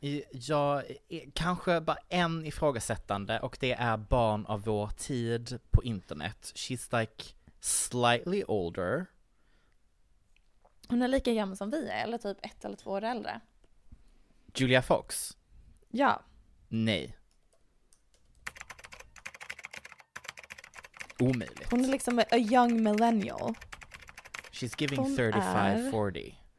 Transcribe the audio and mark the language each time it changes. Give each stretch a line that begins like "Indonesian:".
Swedish: Jag kanske bara en ifrågasättande, och det är barn av vår tid på internet.
English: She's like slightly older.
Swedish: Hon är lika gammal som vi är, eller typ ett eller två år äldre. Julia Fox? Ja. Nej. Omöjligt. Hon är liksom
English: a young millennial. She's giving
Swedish: hon 35, är...
English: 40.